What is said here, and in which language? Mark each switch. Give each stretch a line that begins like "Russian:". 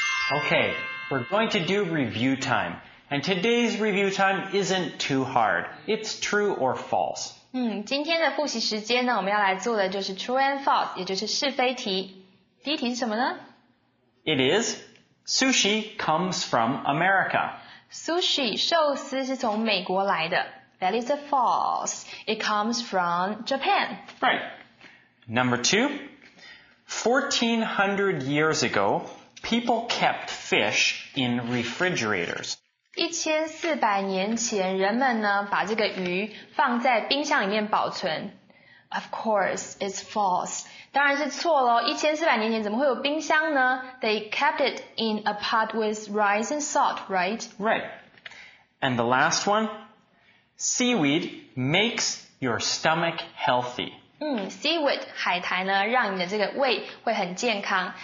English: Okay, we're going to do review time. And today's review time isn't too hard. It's true or false.
Chinese: 今天的复习时间呢，我们要来做的就是
English: true and false，
Chinese: 也就是是非题。第一题是什么呢？
English: It is, sushi comes from America.
Chinese: Sushi, 寿司是从美国来的。
English: That is a false. It comes from Japan. Right. Number two, 1400 years ago,People kept fish in refrigerators.
Chinese: 1400年前，人们呢把这个鱼放在冰箱里面保存。
English: Of course, it's false.
Chinese: 当然是错咯。1400年前怎么会有冰箱呢？
English: They kept it in a pot with rice and salt, right? Right. And the last one, seaweed makes your stomach healthy.
Chinese: Seaweed, 海苔呢让你的这个胃会很健康。